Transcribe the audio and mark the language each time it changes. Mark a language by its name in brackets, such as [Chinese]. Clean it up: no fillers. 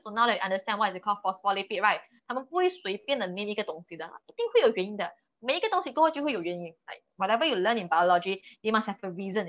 [English] So now you understand why they call phospholipid, right？ [Chinese] 他们不会随便的念一个东西的，一定会有原因的。每一个东西过后就会有原因。 [English] Like whatever you learn in biology, you must have a reason.